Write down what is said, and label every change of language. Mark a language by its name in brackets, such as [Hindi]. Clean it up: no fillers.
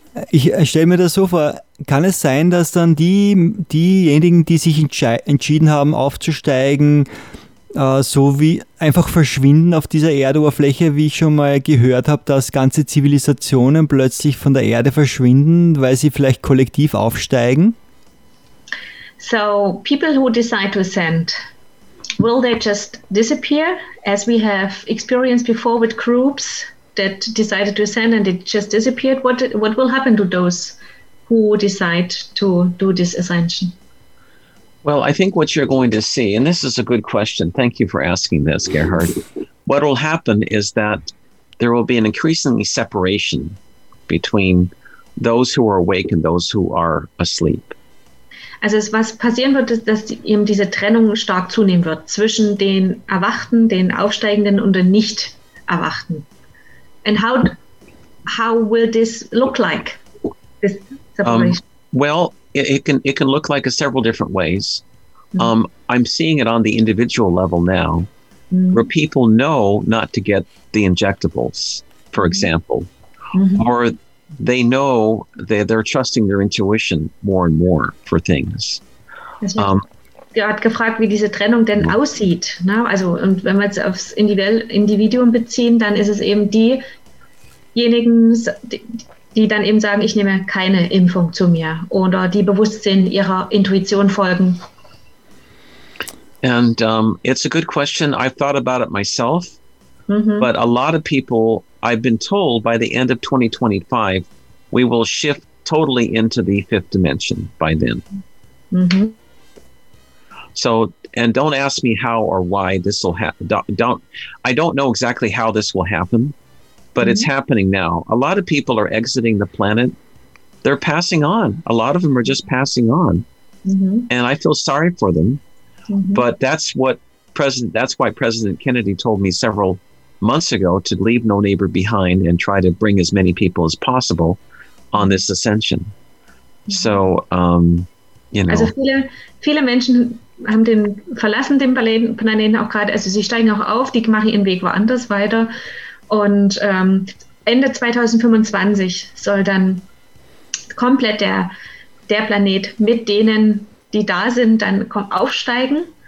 [German] Ich stelle mir das so vor, kann es sein, dass dann diejenigen, die sich entschieden haben, aufzusteigen, so wie einfach verschwinden auf dieser Erdoberfläche, wie ich schon mal gehört habe, dass ganze Zivilisationen plötzlich von der Erde verschwinden, weil sie vielleicht kollektiv aufsteigen? [English] So, people who decide to ascend, will they just disappear, as we have experienced before with groups that decided to ascend and it just disappeared? What will happen to those who decide to do this ascension? Well, I think what you're going to see, and this is a good question, thank you for asking this, Gerhard, what will happen is that there will be an increasing separation between those who are awake and those who are asleep. [German] Also was passieren wird, ist, dass eben diese Trennung stark zunehmen wird zwischen den Erwachten, den Aufsteigenden und den Nicht-Erwachten. [English] And how will this look like, this separation? It can look like several different ways. I'm seeing it on the individual level now, where people know not to get the injectables, for example. Mm-hmm. Or they know they're trusting their intuition more and more for things. [German] Er hat gefragt, wie diese Trennung denn aussieht. Ne? Also, und wenn wir jetzt aufs Individuum beziehen, dann ist es eben diejenigen, die dann eben sagen, ich nehme keine Impfung zu mir, oder die Bewusstsein ihrer Intuition folgen. [English] And it's a good question. I've thought about it myself. Mm-hmm. But a lot of people, I've been told, by the end of 2025, we will shift totally into the fifth dimension by then. Mm-hmm. So, and don't ask me how or why this will happen. I don't know exactly how this will happen. But it's happening now. A lot of people are exiting the planet. They're passing on. A lot of them are just passing on. And I feel sorry for them. But that's why President Kennedy told me several months ago to leave no neighbor behind and try to bring as many people as possible on this ascension. [German] Also viele Menschen haben verlassen den Planeten auch gerade. Also sie steigen auch auf, die machen ihren Weg woanders weiter. Und Ende 2025 soll dann komplett der Planet mit denen, die da sind, dann aufsteigen.